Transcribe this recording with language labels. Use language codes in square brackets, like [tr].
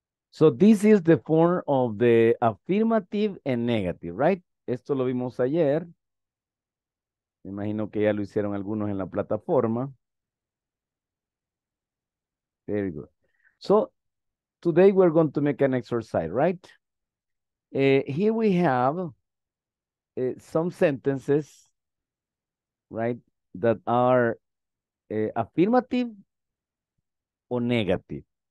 [en] So this is the form of the affirmative and negative, right? [es] Esto lo vimos ayer. Me imagino que ya lo hicieron algunos en la plataforma. [en] Very good. So today we're going to make an exercise, right? Here we have some sentences, right, that are affirmative or negative.